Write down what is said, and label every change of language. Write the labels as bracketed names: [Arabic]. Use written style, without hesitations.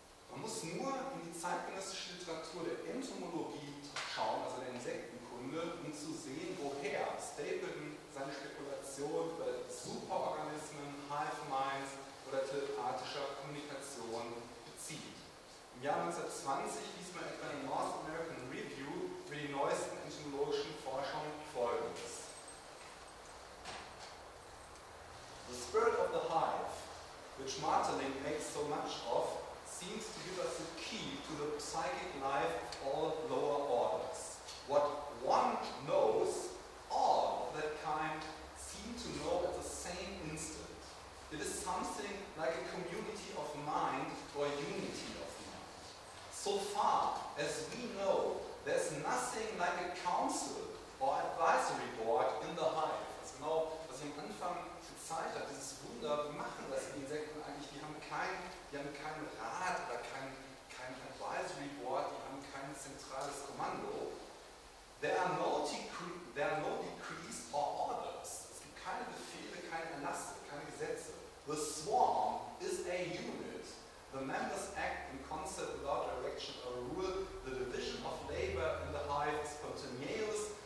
[German] Man muss nur in die zeitgenössische Literatur der Entomologie schauen, also der Insektenkunde, um zu sehen, woher Stapleton seine Spekulation über Superorganismen, Hive-Minds oder telepathischer Kommunikation bezieht. Im Jahr 1920 liest man etwa in North American Review für die neuesten entomologischen Forschungen Folgendes. [English] The spirit of the hive, which Marteling makes so much of, seems to give us the key to the psychic life of all lower orders. What one knows, all of that kind seem to know at the same instant. It is something like a community of mind or unity of mind. So far as we know, there's nothing like a council or advisory board in the hive. [German] Also genau, was ich am Anfang gezeigt habe, dieses Wunder, wie machen das die Insekten eigentlich? Die haben keinen Rat oder kein Advisory Board, die haben kein zentrales Kommando. [English] There are no decrees or orders. [German] Es gibt keine Befehle, keine Erlasse, keine Gesetze. [English] The swarm is a unit. The members act in concert without direction or rule. The division of labor in the hive is spontaneous.